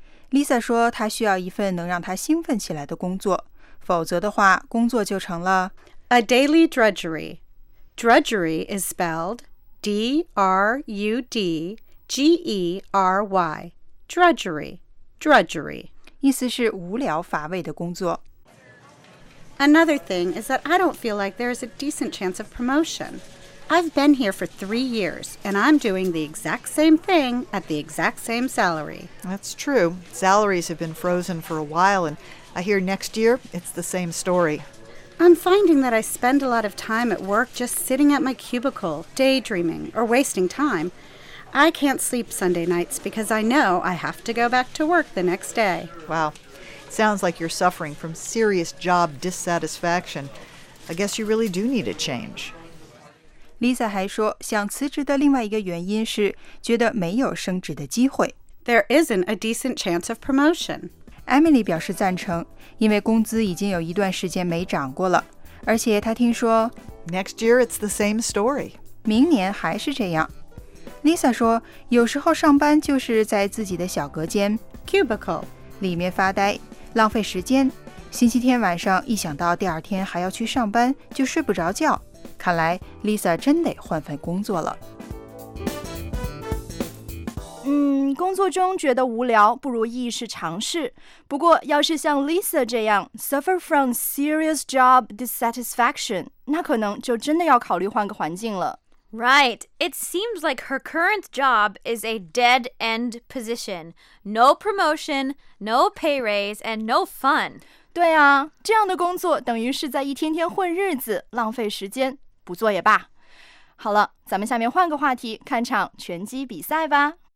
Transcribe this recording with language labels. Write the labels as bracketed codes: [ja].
[zh] Lisa 说她需要一份能让她兴奋起来的工作，否则的话工作就成了 [en] A daily drudgery. Drudgery is spelled D-R-U-D-G-E-R-Y. Drudgery. Drudgery. [zh] 意思是无聊乏味的工作。 [en] Another thing is that I don't feel like there is a decent chance of promotionI've been here for 3 years, and I'm doing the exact same thing at the exact same salary. That's true. Salaries have been frozen for a while, and I hear next year it's the same story. I'm finding that I spend a lot of time at work just sitting at my cubicle, daydreaming, or wasting time. I can't sleep Sunday nights because I know I have to go back to work the next day. Wow. Sounds like you're suffering from serious job dissatisfaction. I guess you really do need a change. [zh] Lisa 还说，想辞职的另外一个原因是觉得没有升职的机会。 [en] There isn't a decent chance of promotion. [zh] Emily 表示赞成，因为工资已经有一段时间没涨过了，而且她听说 [en] Next year it's the same story. [zh] 明年还是这样。Lisa 说，有时候上班就是在自己的小隔间 [en] cubicle [zh] 里面发呆，浪费时间。星期天晚上一想到第二天还要去上班，就睡不着觉。看来 Lisa 真得换份工作了。嗯，工作中觉得无聊，不如一试尝试。不过，要是像 Lisa 这样 [en] suffer from serious job dissatisfaction， [zh] 那可能就真的要考虑换个环境了。 [en] Right. It seems like her current job is a dead end position. No promotion, no pay raise, and no fun. [zh] 对啊，这样的工作等于是在一天天混日子，浪费时间。不做也罢。好了，咱们下面换个话题，看场拳击比赛吧。